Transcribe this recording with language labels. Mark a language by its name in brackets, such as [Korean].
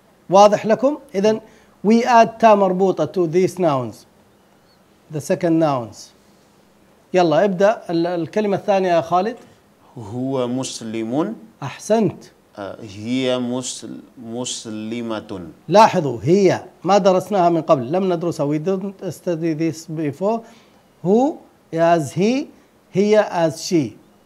[Arabic] واضح لكم؟ إذن [English] we add [Arabic] تا مربوطة [English] to these nouns the second nouns. [Arabic] يلا ابدأ الكلمة الثانية يا خالد. هو مسلم. أحسنت. هي مسلمة. لاحظوا هي ما درسناها من قبل، لم ندرسها، [English] we didn't study this before. هو as he، هي as she.